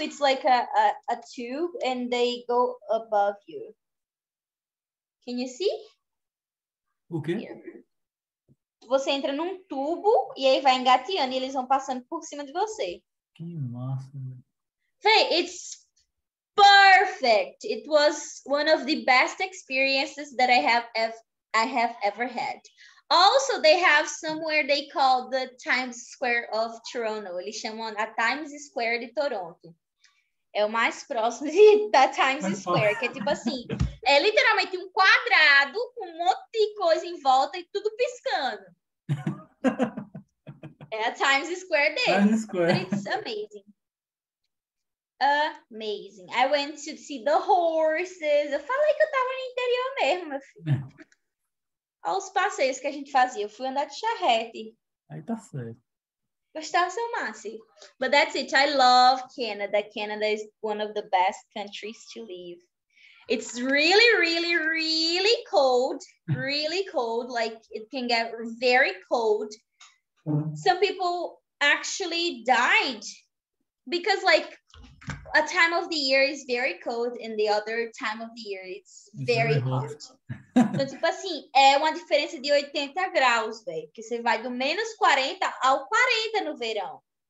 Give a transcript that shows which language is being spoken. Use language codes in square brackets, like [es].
[en] It's like a tube and they go above you. Can you see? Okay. Here. [pt] Você entra num tubo e aí vai engateando e eles vão passando por cima de você. Que massa, né? [en] Hey, it's perfect. It was one of the best experiences that I have ever had. Also, they have somewhere they call the Times Square of Toronto. [pt] Eles chamam a Times Square de Toronto. É o mais próximo da Times Square, que é tipo assim, é literalmente um quadrado com um monte de coisa em volta e tudo piscando. É a Times Square deles. [en] Times Square. But it's amazing. Amazing. I went to see the horses. [pt] Eu falei que eu tava no interior mesmo, meu filho. Olha os passeios que a gente fazia. Eu fui andar de charrete. Aí tá certo. Gostava seu massa. [en] But that's it. I love Canada. Canada is one of the best countries to live. It's really, really, really cold. Really cold. Like, it can get very cold. Some people actually died. Because, like, a time of the year is very cold and the other time of the year it's very hot. [pt] Então, tipo assim, é uma diferença de 80 graus, velho. Que você vai do menos 40 ao 40 no verão.